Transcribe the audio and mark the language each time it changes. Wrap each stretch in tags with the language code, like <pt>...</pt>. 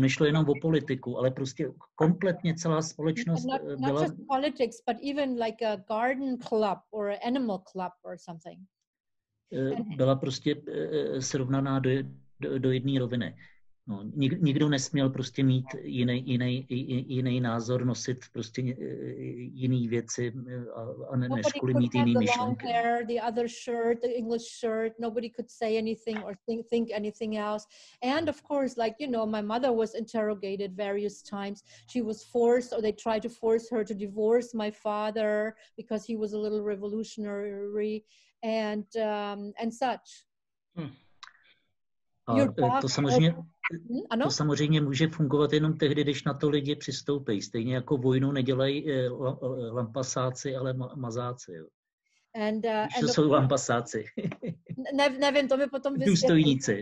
<cs>Nešlo jenom o politiku, ale prostě kompletně celá společnost byla...</cs> <en>Not just politics, but even like a garden club or an animal club or something.</en> <cs>Byla prostě srovnaná do jedné roviny. No, nikdo nesměl prostě mít jiný názor, nosit prostě jiný věci a než kvůli mít jiný myšlenky.</cs> <en>Nobody could have the long hair, the other shirt, the English shirt. Nobody could say anything or think anything else. And of course, like, you know, my mother was interrogated various times. She was forced, or they tried to force her to divorce my father because he was a little revolutionary and such.</en> <cs>A to samozřejmě... Ano? To samozřejmě může fungovat jenom tehdy, když na to lidi přistoupí. Stejně jako vojnu nedělají lampasáci, ale mazáci. Jo.</cs> <en>And,</en> <cs>to jsou lampasáci. Nevím, to mi potom vysvětlí.</cs>